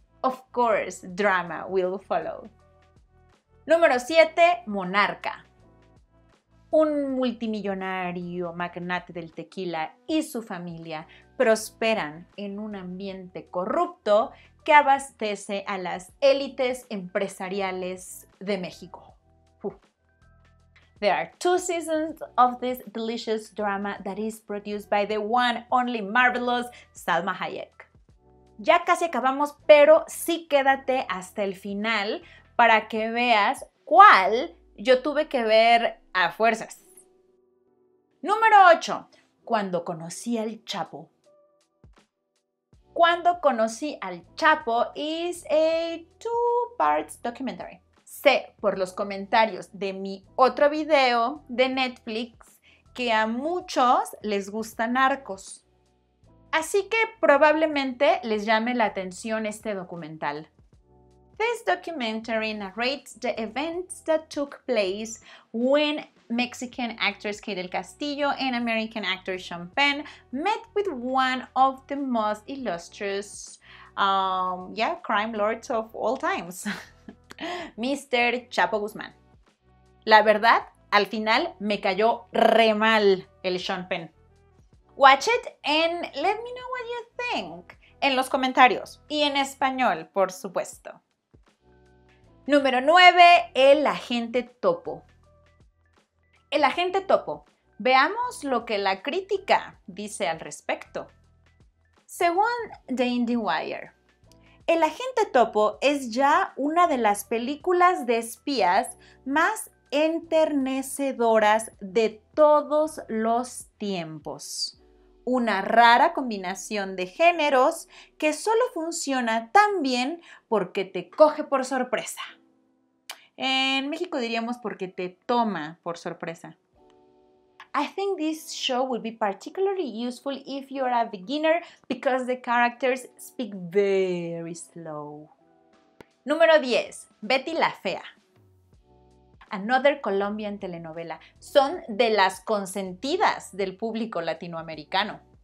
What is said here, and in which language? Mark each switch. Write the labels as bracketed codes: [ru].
[en] Of course, drama will follow. [es] Número 7, [en] Monarca. [es] Un multimillonario magnate del tequila y su familia prosperan en un ambiente corrupto que abastece a las élites empresariales de México. [en] There are two seasons of this delicious drama that is produced by the one only marvelous Salma Hayek. [es] Ya casi acabamos, pero sí quédate hasta el final para que veas cuál yo tuve que ver a fuerzas. Número 8. [en] Cuando conocí al Chapo. Cuando conocí al Chapo is a two-part documentary. [es] Sé por los comentarios de mi otro video de Netflix que a muchos les gustan Narcos. Así que probablemente les llame la atención este documental. [en] This documentary narrates the events that took place when Mexican actress Kate del Castillo and American actor Sean Penn met with one of the most illustrious crime lords of all times, Mr. Chapo Guzmán. [es] La verdad, al final me cayó re mal el Sean Penn. [en] Watch it and let me know what you think [es] en los comentarios y en español, por supuesto. Número 9, El Agente Topo. El Agente Topo. Veamos lo que la crítica dice al respecto. Según The IndieWire, El Agente Topo es ya una de las películas de espías más enternecedoras de todos los tiempos. Una rara combinación de géneros que solo funciona tan bien porque te coge por sorpresa. En México diríamos porque te toma por sorpresa. [en] I think this show would be particularly useful if you're a beginner because the characters speak very slow. [es] Número 10. [en] Bety La Fea. Another Colombian telenovela. [es] Son de las consentidas del público latinoamericano.